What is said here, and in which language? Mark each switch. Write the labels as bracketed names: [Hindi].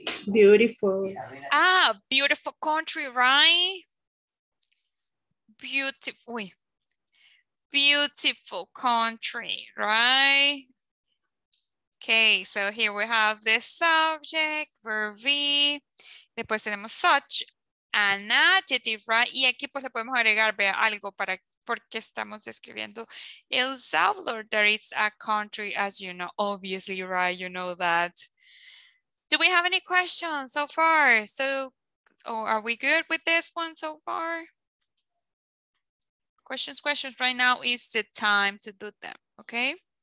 [English] Beautiful. Ah, beautiful country, right? Beautiful. Uy. Beautiful country, right? Okay, so here we have the subject, verb be. [Spanish] Después tenemos such, an adjective, right? Y aquí pues le podemos agregar, vea, algo para porque estamos escribiendo El Salvador. [English] There is a country, as you know, obviously, right? You know that. Do we have any questions so far? So, oh, are we good with this one so far? Questions, questions. Right now is the time to do them, okay?